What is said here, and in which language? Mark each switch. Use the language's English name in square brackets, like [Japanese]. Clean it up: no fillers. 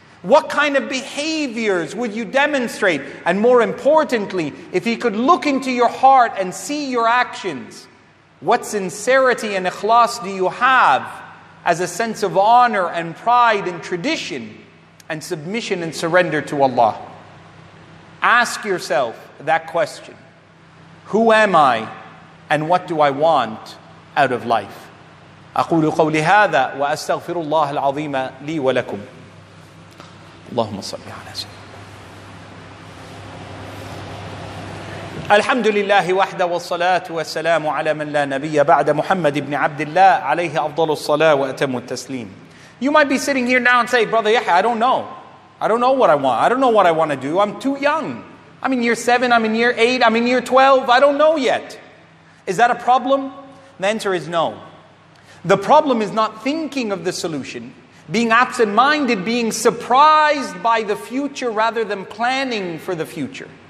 [English] What kind of behaviors would you demonstrate? And more importantly, if he could look into your heart and see your actions, what sincerity and ikhlas do you have as a sense of honor and pride and tradition and submission and surrender to Allah? Ask yourself that question. Who am I and what do I want out of life? [Arabic] أقول قولي هذا وأستغفر الله العظيم لي ولكم. اللهم صل على سيدنا. الحمد لله وحده والصلاة والسلام على من لا نبي بعد محمد بن عبد الله عليه أفضل الصلاة وأتم التسليم. [English] You might be sitting here now and say, Brother Yahya, I don't know. I don't know what I want. I don't know what I want to do. I'm too young. I'm in year 7, I'm in year 8, I'm in year 12. I don't know yet. Is that a problem? The answer is no. The problem is not thinking of the solution, being absent-minded, being surprised by the future rather than planning for the future.